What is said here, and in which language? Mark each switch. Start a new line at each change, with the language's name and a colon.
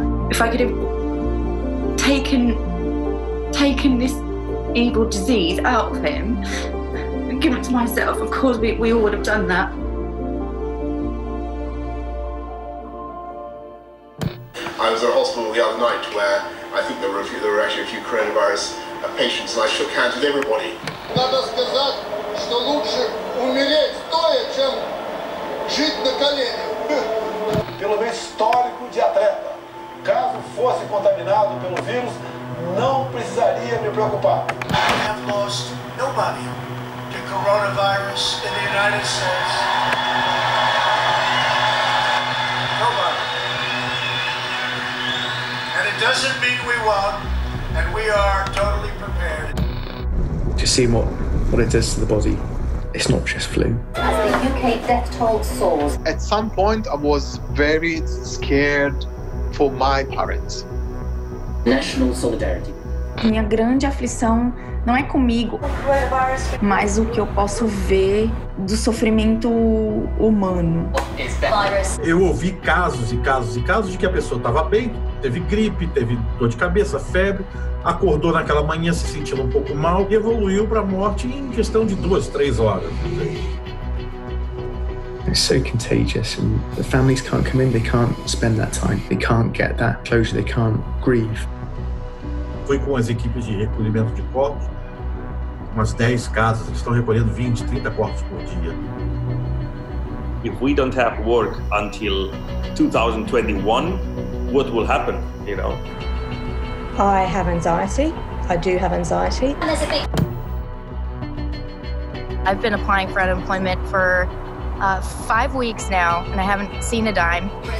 English: If I could have taken this evil disease out of him and give it to myself, of course we all would have done that. I was at a hospital the other night where I think there were actually a few coronavirus patients and I shook hands with everybody.
Russian: Надо сказать, что лучше умереть стоя, чем жить на коленях.
Portuguese: Pelo meu histórico de atleta, caso fosse contaminado pelo vírus, não precisaria me preocupar.
English: I have lost nobody to coronavirus in the United States. Nobody. And it doesn't mean we won, and we are totally prepared. Just seeing what it does to the body. It's not just flu. As the UK death toll soars. At some point, I was very scared for my parents. National solidarity.
Portuguese: Minha grande aflição não é comigo, mas o que eu posso ver do sofrimento humano. Eu ouvi casos e casos e casos de que a pessoa estava bem, teve gripe, teve dor de cabeça, febre, acordou naquela manhã se sentindo um pouco mal e evoluiu para a morte em questão de 2-3 horas.
English: It's so contagious and the families can't come in, they can't spend that time, they can't get that closure, they can't grieve.
Portuguese: Fui com as equipes de recolhimento de corpos, umas 10 casas, eles estão recolhendo 20, 30 corpos por dia.
English: If we don't have work until 2021, what will happen, you know? I have anxiety. I do have anxiety. I've been applying for unemployment for 5 weeks now, and I haven't seen a dime.